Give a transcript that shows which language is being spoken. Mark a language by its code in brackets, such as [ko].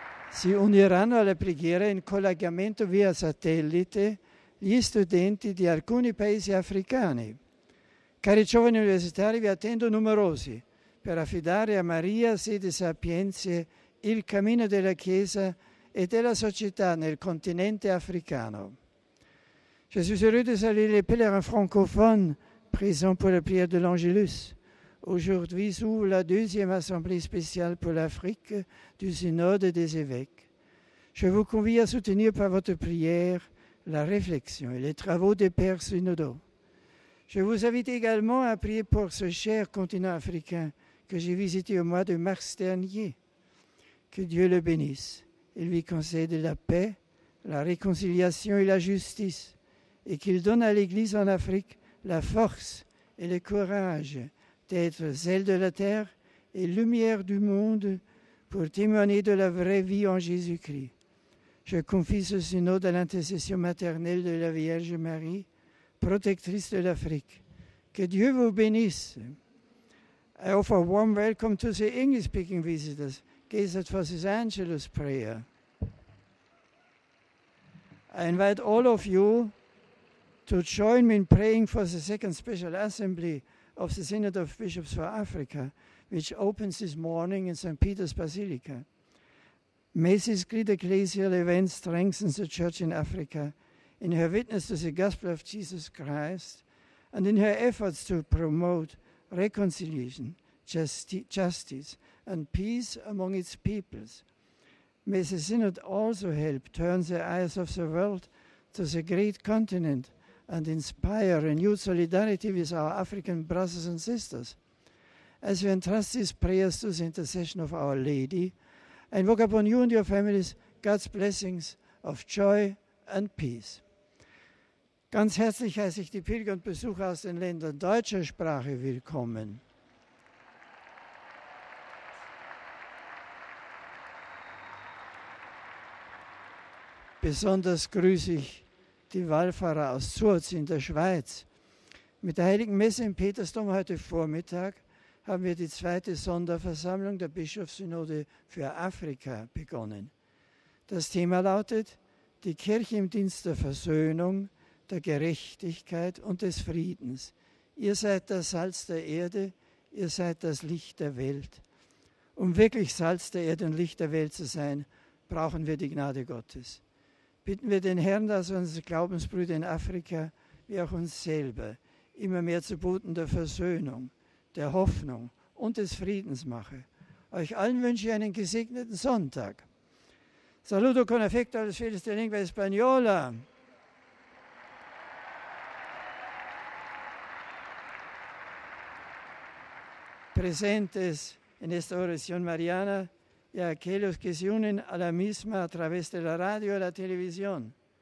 [it] Si uniranno alla preghiera in collegamento via satellite gli studenti di alcuni paesi africani. Cari giovani universitari, vi attendo numerosi per affidare a Maria Sede Sapienze il cammino della Chiesa e della società nel continente africano. [fr] Je suis heureux de saluer les pèlerins francophones présents pour la prière de l'Angélus. Aujourd'hui s'ouvre la deuxième assemblée spéciale pour l'Afrique du Synode des évêques. Je vous convie à soutenir par votre prière la réflexion et les travaux des pères synodaux. Je vous invite également à prier pour ce cher continent africain que j'ai visité au mois de mars dernier. Que Dieu le bénisse et lui concède la paix, la réconciliation et la justice, et qu'il donne à l'Église en Afrique la force et le courage d'être zèle de la terre et lumière du monde pour témoigner de la vraie vie en Jésus-Christ. Je confie ce synode à l'intercession maternelle de la Vierge Marie, protectrice de l'Afrique. Que Dieu vous bénisse. [en] I offer a warm welcome to the English-speaking visitors. Gesed for this Angelus prayer. I invite all of you to join me in praying for the second special assembly of the Synod of Bishops for Africa, which opens this morning in St. Peter's Basilica. May this great ecclesial event strengthen the Church in Africa in her witness to the Gospel of Jesus Christ and in her efforts to promote reconciliation, justice, and peace among its peoples. May the Synod also help turn the eyes of the world to the great continent and inspire renewed solidarity with our African brothers and sisters. As we entrust these prayers to the intercession of Our Lady, I invoke upon you and your families God's blessings of joy and peace. [de] Ganz herzlich heiße ich die Pilger und Besucher aus den Ländern deutscher Sprache willkommen. Besonders grüße ich die Wallfahrer aus Zurz in der Schweiz. Mit der Heiligen Messe im Petersdom heute Vormittag haben wir die zweite Sonderversammlung der Bischofssynode für Afrika begonnen. Das Thema lautet: Die Kirche im Dienst der Versöhnung, der Gerechtigkeit und des Friedens. Ihr seid das Salz der Erde, ihr seid das Licht der Welt. Um wirklich Salz der Erde und Licht der Welt zu sein, brauchen wir die Gnade Gottes. Bitten wir den Herrn, dass unsere Glaubensbrüder in Afrika, wie auch uns selber, immer mehr zu Boten der Versöhnung, der Hoffnung und des Friedens mache. Euch allen wünsche ich einen gesegneten Sonntag. [es] Saludo con affecto a los fieles de lengua española. Presentes en esta oración mariana, y a aquellos que se unen a la misma a través de la radio y la televisión.